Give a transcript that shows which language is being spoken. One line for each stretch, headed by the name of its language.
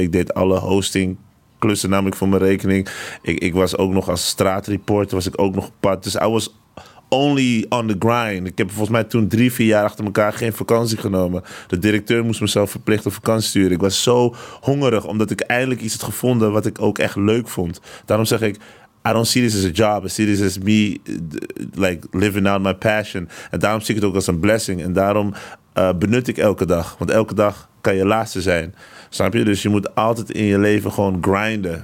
Dutch: Ik deed alle hosting klussen namelijk voor mijn rekening. Ik was ook nog als straatreporter was ik ook nog op pad. Dus
English: I was only on the grind.
Dutch: Ik heb volgens mij toen 3-4 jaar achter elkaar geen vakantie genomen. De directeur moest mezelf verplicht op vakantie sturen. Ik was zo hongerig omdat ik eindelijk iets had gevonden wat ik ook echt leuk vond. Daarom zeg ik,
English: I don't see this as a job. I see this as me like living out my passion.
Dutch: En daarom zie ik het ook als een blessing. En daarom benut ik elke dag. Want elke dag kan je laatste zijn. Snap je? Dus je moet altijd in je leven gewoon grinden.